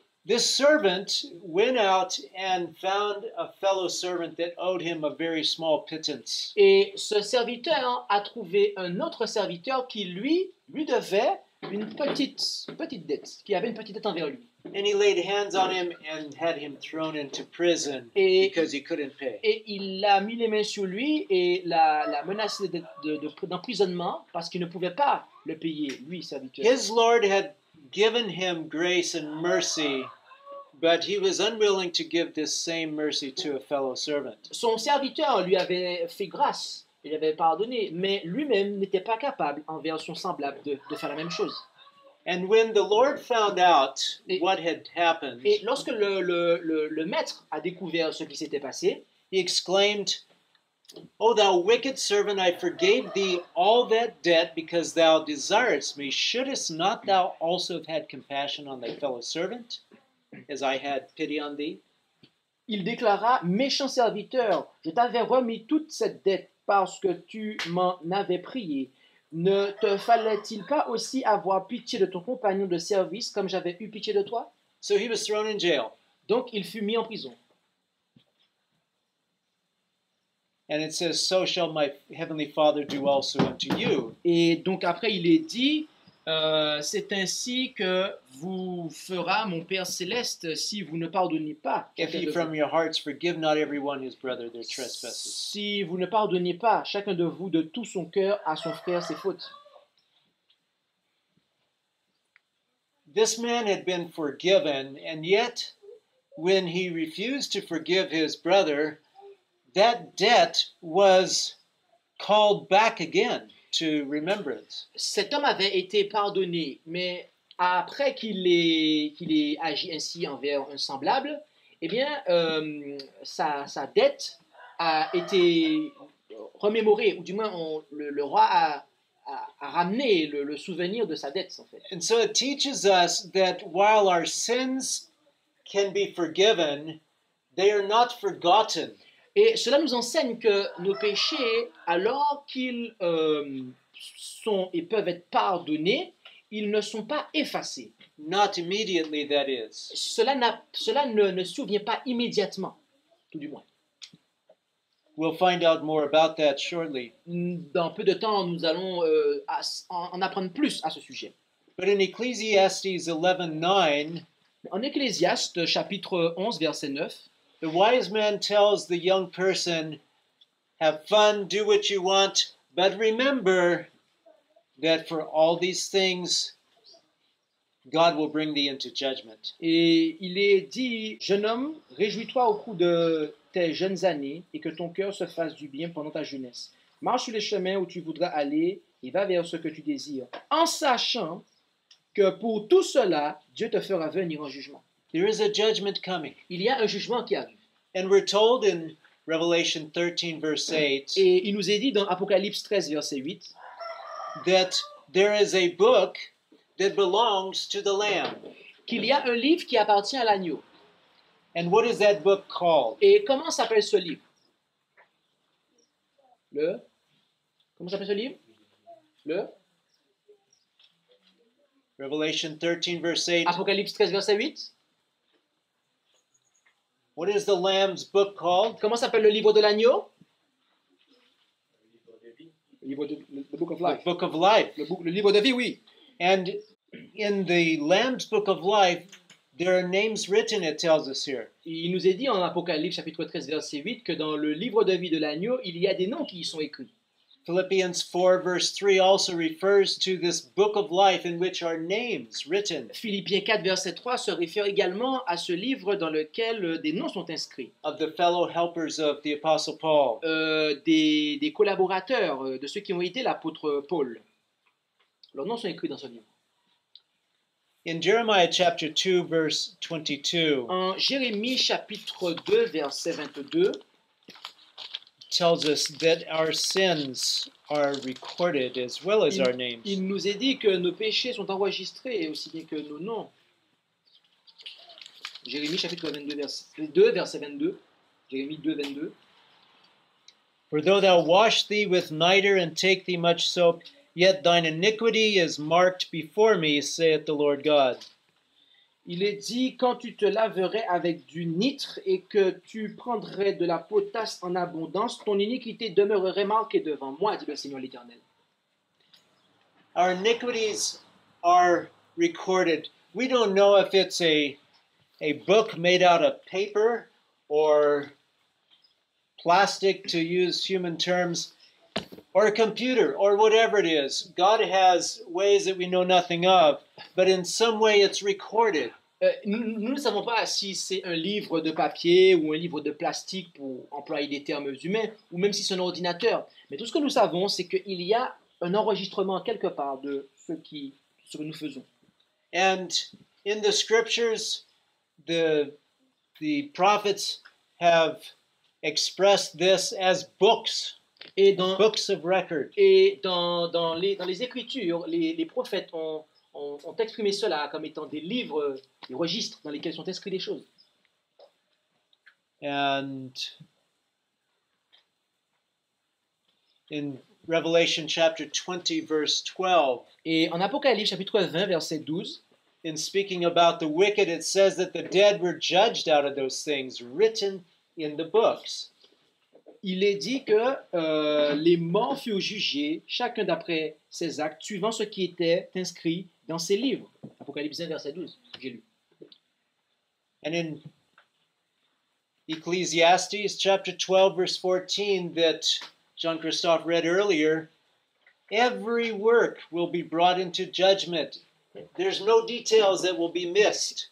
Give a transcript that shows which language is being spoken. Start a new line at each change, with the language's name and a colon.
English: This servant went out and found a fellow servant that owed him a very small pittance.
French: Et ce serviteur a trouvé un autre serviteur qui lui devait une petite dette, qui avait une petite dette envers lui.
English: And he laid hands on him and had him thrown into prison because he couldn't pay.
French: Et il a mis les mains sur lui et l'a menacé d'emprisonnement parce qu'il ne pouvait pas le payer, lui, serviteur.
English: His Lord had given him grace and mercy, but he was unwilling to give this same mercy to a fellow servant.
French: Son serviteur lui avait fait grâce, il avait pardonné, mais lui-même n'était pas capable envers son semblable de faire la même chose.
English: And when the Lord found out what had happened,
French: et lorsque le maître a découvert ce qui s'était passé,
English: he exclaimed, "O thou wicked servant, I forgave thee all that debt because thou desiredst me. Shouldest not thou also have had compassion on thy fellow servant, as I had pity on thee?"
French: Il déclara, "Méchant serviteur, je t'avais remis toute cette dette parce que tu m'en avais prié. Ne te fallait-il pas aussi avoir pitié de ton compagnon de service comme j'avais eu pitié de toi?"
English: So he was thrown in jail.
French: Donc il fut mis en prison.
English: And it says, "So shall my heavenly Father do also unto you."
French: Et donc après il est dit, c'est ainsi que vous fera mon Père céleste si vous ne pardonnez pas.
English: If ye from your hearts forgive not everyone his brother their trespasses.
French: Si vous ne pardonnez pas chacun de vous de tout son cœur à son frère ses fautes.
English: This man had been forgiven, and yet, when he refused to forgive his brother, that debt was called back again to remembrance.
French: Cet homme avait été pardonné, mais après qu'il ait agi ainsi envers un semblable, eh bien, sa dette a été remémorée, ou du moins le roi a ramené le souvenir de sa dette, en fait.
English: And so it teaches us that while our sins can be forgiven, they are not forgotten.
French: Et cela nous enseigne que nos péchés, alors qu'ils sont et peuvent être pardonnés, ils ne sont pas effacés.
English: Not immediately, that is.
French: Cela ne survient pas immédiatement, tout du moins.
English: We'll find out more about that shortly.
French: Dans peu de temps, nous allons en apprendre plus à ce sujet.
English: But in Ecclesiastes 11:9,
French: en Ecclésiaste, chapitre 11, verset 9,
English: the wise man tells the young person, "Have fun, do what you want, but remember that for all these things, God will bring thee into judgment."
French: Et il est dit, jeune homme, réjouis-toi au cours de tes jeunes années et que ton cœur se fasse du bien pendant ta jeunesse. Marche sur les chemins où tu voudras aller et va vers ce que tu désires, en sachant que pour tout cela, Dieu te fera venir en jugement.
English: There is a judgment coming.
French: Il y a un jugement qui arrive.
English: And we're told in Revelation 13, verse 8.
French: Et il nous est dit dans Apocalypse 13, verset 8,
English: that there is a book that belongs to the Lamb.
French: Qu'il y a un livre qui appartient à l'agneau.
English: And what is that book called?
French: Et comment s'appelle ce livre? Comment s'appelle ce livre?
English: Revelation 13, verse 8.
French: Apocalypse 13, verset 8.
English: What is the Lamb's book called?
French: Comment s'appelle le livre de l'agneau?
English: The book of life. The book of life.
French: Le livre de vie, oui.
English: And in the Lamb's book of life, there are names written, it tells us here.
French: Il nous est dit en Apocalypse, chapitre 13, verset 8, que dans le livre de vie de l'agneau, il y a des noms qui y sont écrits.
English: Philippians 4, verse 3 also refers to this book of life in which are names written.
French: Philippiens 4, verset 3 se réfère également à ce livre dans lequel des noms sont inscrits.
English: Of the fellow helpers of the Apostle Paul.
French: Des collaborateurs de ceux qui ont aidé l'apôtre Paul. Leurs noms sont écrits dans ce livre.
English: In Jeremiah chapter 2, verse 22.
French: En Jérémie chapitre 2, verset 22.
English: Tells us that our sins are recorded as well as our names.
French: Il nous est dit que nos péchés sont enregistrés aussi bien que nos noms. Jérémie chapitre 22 verset 22. Jérémie 2 22.
English: For though thou wash thee with nitre and take thee much soap, yet thine iniquity is marked before me, saith the Lord God.
French: Il est dit, quand tu te laverais avec du nitre et que tu prendrais de la potasse en abondance, ton iniquité demeurerait marquée devant moi, dit le Seigneur l'Éternel.
English: Our iniquities are recorded. We don't know if it's a book made out of paper or plastic, to use human terms, or a computer, or whatever it is. God has ways that we know nothing of, but in some way it's recorded.
French: Nous ne savons pas si c'est un livre de papier ou un livre de plastique, pour employer des termes humains, ou même si c'est un ordinateur. Mais tout ce que nous savons, c'est qu'il y a un enregistrement quelque part de ce que nous faisons.
English: And in the scriptures, the prophets have expressed this as books.
French: Et dans,
English: books of record.
French: Et dans les écritures, les prophètes ont exprimé cela comme étant des livres, des registres dans lesquels sont inscrits des choses.
English: And in Revelation chapter 20, verse 12.
French: Et en Apocalypse chapitre 20, verset 12.
English: In speaking about the wicked, it says that the dead were judged out of those things written in the books.
French: Il est dit que les morts furent jugés, chacun d'après ses actes, suivant ce qui était inscrit dans ses livres. Apocalypse 1, verset 12, j'ai lu.
English: And in Ecclesiastes chapter 12, verse 14, that Jean-Christophe read earlier, every work will be brought into judgment. There's no details that will be missed.